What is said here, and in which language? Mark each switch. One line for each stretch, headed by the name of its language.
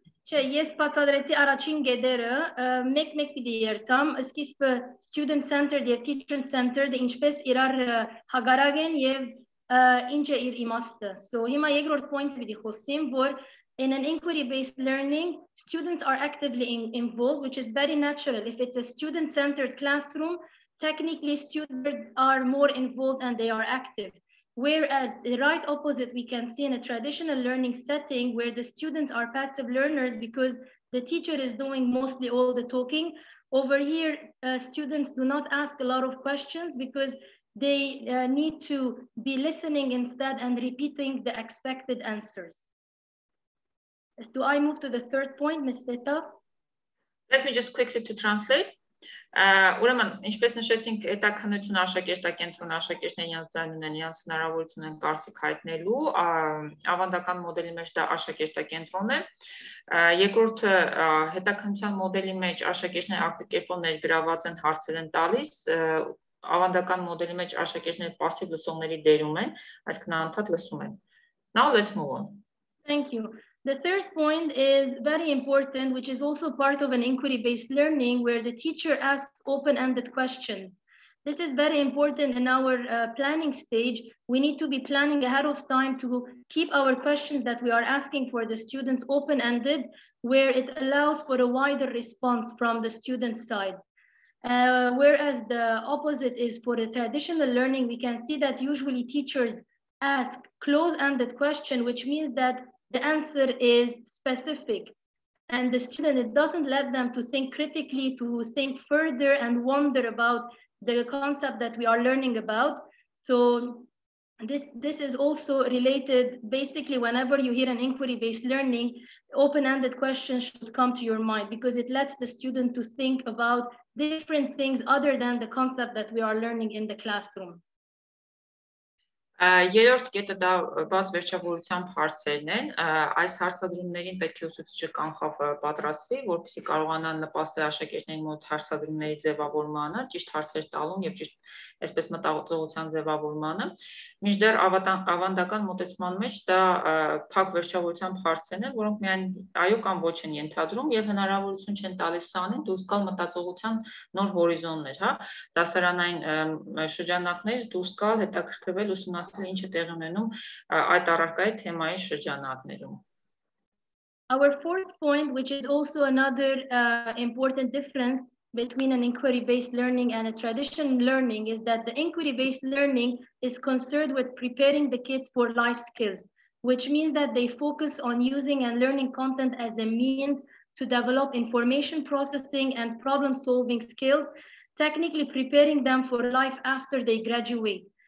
Armenian: Չէ, ես բացատրեցի առաջին գեդերը, մեկ-մեկ պիտի երթամ, սկիզբը student centered եւ teacher centered ինչպես իրար հակառակ են եւ ինչ է իր իմաստը։ So հիմա երկրորդ point-ը պիտի խոսեմ, որ
English: in an inquiry based learning students are actively involved, which is very natural if it's a student centered classroom. Technically, students are more involved and they are active. Whereas the right opposite we can see in a traditional learning setting where the students are passive learners because the teacher is doing mostly all the talking. Over here, students do not ask a lot of questions because they need to be listening instead and repeating the expected answers. Do I move to the third point, Ms. Seta? Let me just quickly to translate.
Armenian: Ուրեմն, ինչպես նշեցինք, հետաքննություն աշակերտակենտրոն աշակերտներին ընդառնում են իրենց հնարավորությունը կարծիք հայտնելու, ավանդական մոդելի մեջ դա աշակերտակենտրոնն է։ Երկրորդ հետաքննության մոդելի մեջ աշակերտները ակտիվ կերպով ներգրաված են, հարցեր են տալիս, ավանդական մոդելի մեջ աշակերտները пассив լսողների դերում են, այսինքն անընդհատ լսում են։
English: Now let's move on. Thank you. The third point is very important, which is also part of an inquiry-based learning where the teacher asks open-ended questions. This is very important in our planning stage. We need to be planning ahead of time to keep our questions that we are asking for the students open-ended, where it allows for a wider response from the student side. Whereas the opposite is for the traditional learning, we can see that usually teachers ask close-ended questions, which means that the answer is specific and the student, it doesn't let them to think critically, to think further and wonder about the concept that we are learning about. So this is also related, basically whenever you hear an inquiry-based learning, open-ended questions should come to your mind because it lets the student to think about different things other than the concept that we are learning in the classroom.
Armenian: Երրորդ կետը դա բաց վերջավորությամբ հարցերն են, այս հարցադրումներին պետք է ուսուցիչը կանխավ պատրաստվի, որպեսզի կարողանա նպաստել աշակերտների մոտ հարցադրումների ձևավորմանը, ճիշտ հարցեր տալուն եւ ճիշտ այսպես մտածողության ձևավորմանը։ Մինչդեռ ավանդական մոտեցման մեջ դա փակ վերջավորությամբ հարցերն են, որոնք միայն այո կամ ոչ են ենթադրում եւ հնարավորություն չեն տալիս սանին դուրս գալ մտածողության նոր հորիզոններ, հա, դասարանային շրջանակներից դուրս գալ, հետաքրքրվել մասը ինչ է տեղ ունենում այդ առարկայի թեմայի շրջանակներում։
English: Our fourth point, which is also another important difference between an inquiry-based learning and a traditional learning, is that the inquiry-based learning is concerned with preparing the kids for life skills, which means that they focus on using and learning content as a means to develop information processing and problem-solving skills, technically preparing them for life after they graduate.